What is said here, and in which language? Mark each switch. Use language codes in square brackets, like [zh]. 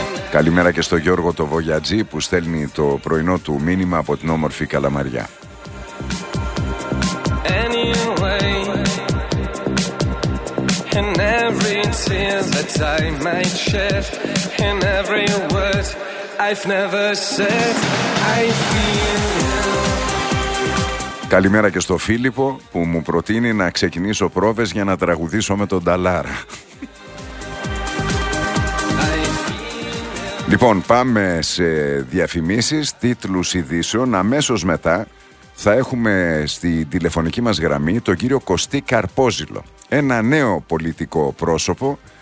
[el] Καλημέρα και στο Γιώργο το Βοιατζή που στέλνει το πρωινό του μήνυμα από την όμορφη Καλαμαριά. [en] Anyway, in every tear that I might shed, in every word I've never said, I feel. [el] Καλημέρα και στο Φίλιππο που μου προτείνει να ξεκινήσω πρόβες για να τραγουδήσω με τον Νταλάρα. Λοιπόν, πάμε σε διαφημίσεις, τίτλους ειδήσεων. Αμέσως μετά θα έχουμε στη τηλεφωνική μας γραμμή τον κύριο Κωστή Καρπόζηλο, ένα νέο πολιτικό πρόσωπο.